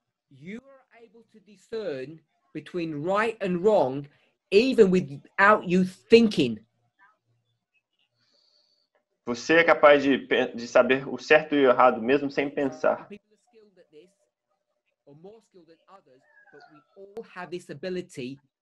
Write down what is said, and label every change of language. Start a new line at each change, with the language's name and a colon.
English: You are able to discern between right and wrong, even without you thinking.
Portuguese: Você é capaz de saber o certo e o errado mesmo sem pensar.
English: People are skilled at this, or more skilled than others, but we all have this ability.